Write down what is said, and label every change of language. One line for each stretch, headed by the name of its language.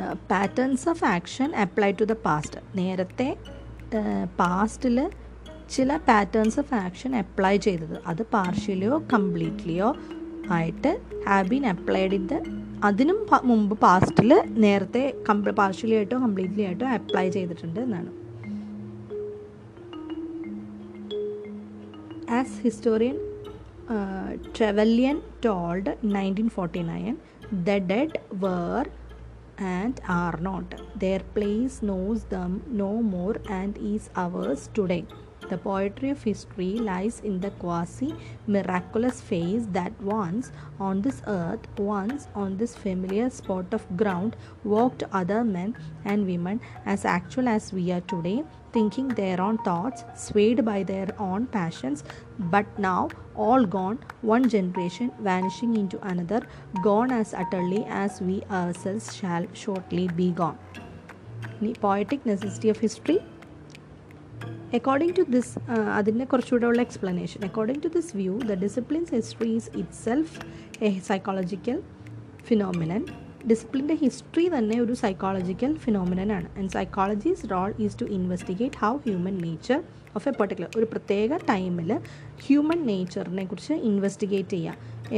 English: patterns of action applied to the past,
Malayalam: നേരത്തെ പാസ്റ്റിൽ ചില patterns of action apply ചെയ്തത് അത് പാർഷ്യലിയോ കംപ്ലീറ്റ്ലിയോ ആയിട്ട്
English: have been applied in the,
Malayalam: അതിനും മുമ്പ് പാസ്റ്റിൽ നേരത്തെ പാർഷ്യലി ആയിട്ടോ കംപ്ലീറ്റ്ലി ആയിട്ടോ അപ്ലൈ ചെയ്തിട്ടുണ്ട് എന്നാണ്.
English: As historian Trevelyan told 1949 the dead were and are not. Their place knows them no more and is ours today. The poetry of history lies in the quasi-miraculous phase that once on this earth, once on this familiar spot of ground, walked other men and women as actual as we are today, thinking their own thoughts, swayed by their own passions, but now all gone, one generation vanishing into another, gone as utterly as we ourselves shall shortly be gone. The poetic necessity of history. According to this,
Malayalam: അതിൻ്റെ കുറച്ചുകൂടെ ഉള്ള explanation.
English: According to this view the disciplines history is itself a psychological phenomenon.
Malayalam: ഡിസിപ്ലിൻ്റെ history തന്നെ ഒരു psychological phenomenon ആണ്.
English: and psychology's role is to investigate how human nature of a particular,
Malayalam: ഒരു പ്രത്യേക ടൈമിൽ human നേച്ചറിനെ കുറിച്ച് ഇൻവെസ്റ്റിഗേറ്റ് ചെയ്യുക.